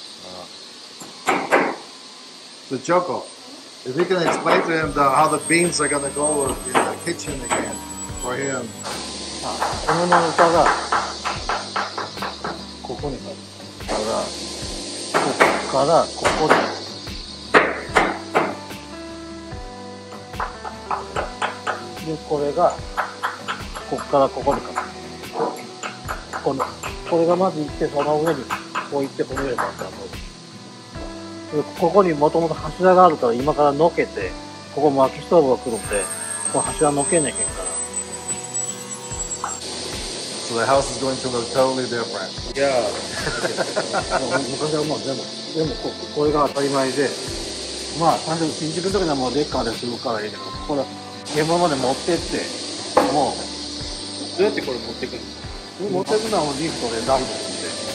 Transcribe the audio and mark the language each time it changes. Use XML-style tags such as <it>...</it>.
<ja>すいません。階段作ってるんですか。そうそう。はい。</ja> <en>The Joko, if you can explain to him how the beams are going to go in the kitchen again for him.</en> <ja>このまま床がここに立つ。だからここからここに。これがここからここにかけるこのこれがまず行ってその上にこう行ってこの上にまた乗るここにもともと柱があるから今からのけてここも薪ストーブが来るんでこの柱のけなきゃいけんから</ja> <en>So the house is going to look totally different. Yeah.</en> <ja>昔はもう全部でも これが当たり前でまあ単純に新築の時にはもうデッカーで済むからいいけどこれ現場まで持ってって、もう、どうやってこれ持っていくの、うん、持っていくのはもうリフトでダンボって。</ja>